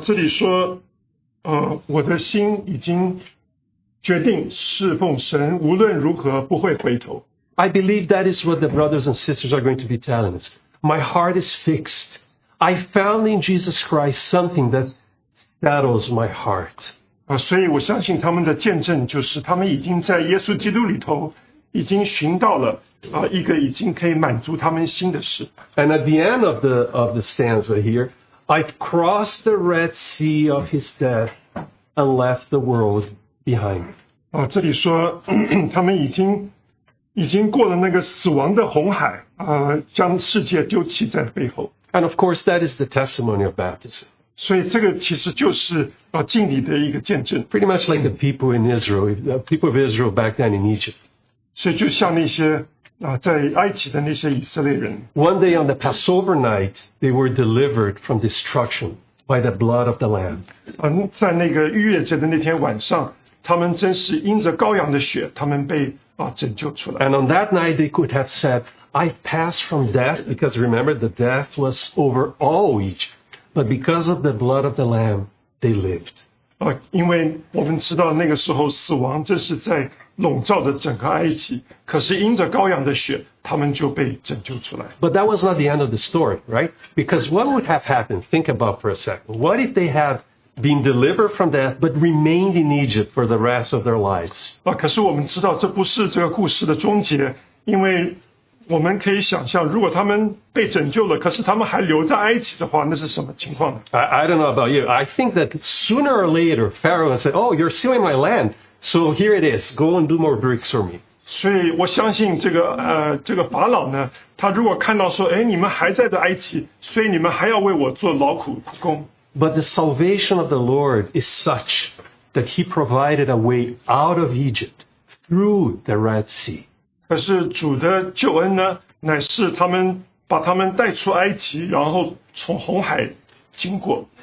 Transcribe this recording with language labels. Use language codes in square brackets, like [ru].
[zh] 这里说，我的心已经决定侍奉神，无论如何不会回头。 [en] I believe that is what the brothers and sisters are going to be telling us. My heart is fixed. I found in Jesus Christ something that settles my heart. [zh] 所以我相信他们的见证就是他们已经在耶稣基督里头已经寻到了一个已经可以满足他们心的事。 [en] And at the end of the stanza here, I've crossed the Red Sea of his death and left the world behind me. [zh] 这里说他们已经过了那个死亡的红海，将世界丢弃在背后。 [en] And of course, that is the testimony of baptism. [zh] 所以这个其实就是敬礼的一个见证。 [en] Pretty much like the people in Israel, the people of Israel back then in Egypt. [zh] 所以就像那些在埃及的那些以色列人。 [en] One day on the Passover night, they were delivered from destruction by the blood of the Lamb. [zh] 在那个逾越节的那天晚上，他们真是因着羔羊的血，他们被拯救出来。 [en] And on that night, they could have said, I passed from death, because remember, the death was over all Egypt. But because of the blood of the Lamb, they lived. [zh] 因为我们知道那个时候死亡这是在笼罩着整个埃及，可是因着羔羊的血，他们就被拯救出来。 [en] But that was not the end of the story, right? Because what would have happened? Think about for a second. What if they had been delivered from death but remained in Egypt for the rest of their lives? [zh] 可是我们知道这不是这个故事的终结，因为我们可以想象，如果他们被拯救了，可是他们还留在埃及的话，那是什么情况呢？ [en] I don't know about you. I think that sooner or later, Pharaoh will say, "Oh, you're stealing my land. So here it is. Go and do more bricks for me." [zh] 所以我相信这个法老呢，他如果看到说，你们还在的埃及，所以你们还要为我做劳苦工。 [en] But the salvation of the Lord is such that He provided a way out of Egypt through the Red Sea. [zh] 可是主的救恩呢，乃是他们把他们带出埃及，然后从红海经过。